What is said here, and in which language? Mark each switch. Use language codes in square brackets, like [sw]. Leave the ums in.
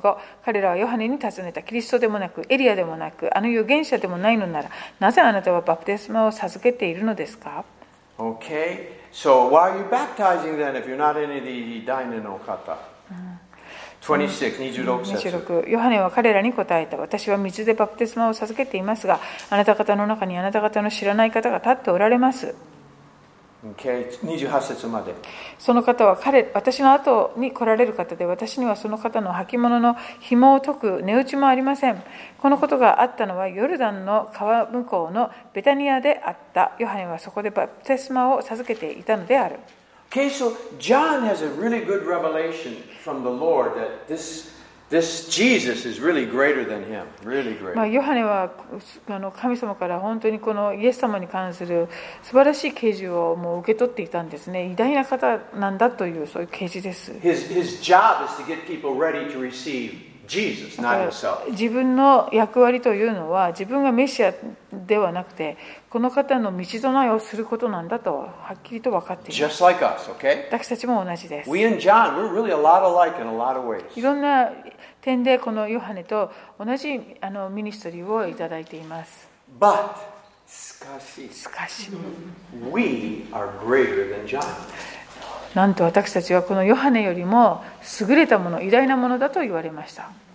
[ja] 2彼らはヨハネに尋ねた。キリストでもなく、エリアでもなく、あの預言者でもないのなら、なぜあなたはバプテスマを授けているのですか [en] Okay. So why are you baptizing then if you're not any of the dine in Okata? 26, 26, [ja] 26ヨハネは彼らに答えた私は水でバプテスマを授けていますがあなた方の中にあなた方の知らない方が立っておられます。 [en] Okay. [ja] 28節までその方は彼私の後に来られる方で私にはその方の履物の紐を解く値打ちもありませんこのことがあったのはヨルダンの川向こうのベタニアであったヨハネはそこでバプテスマを授けていたのであるジョンは本当に良い [en] revelation from the Lord that this This Jesus is really greater than him. Really great. [ja] まあ、ヨハネはあの神様から本当にこのイエス様に関する素晴らしい啓示をもう受け取っていたんですね。偉大な方なんだというそういう啓示です。 [en] His, his job is to get people ready to receive Jesus, [ja] 自分の役割というのは自分がメシアではなくてこの方の道備えをすることなんだとはっきりと分かっている。す。 [en] Like us, o、okay? [ja] 私たちも同じです。John, [en] re really、 [ja] いろんな点でこのヨハネと同じあのミニストリーをいただいています。しかし、しかし [en] we are g r e [ja] なんと私たちはこのヨハネよりも優れたもの、偉大なものだと言われました。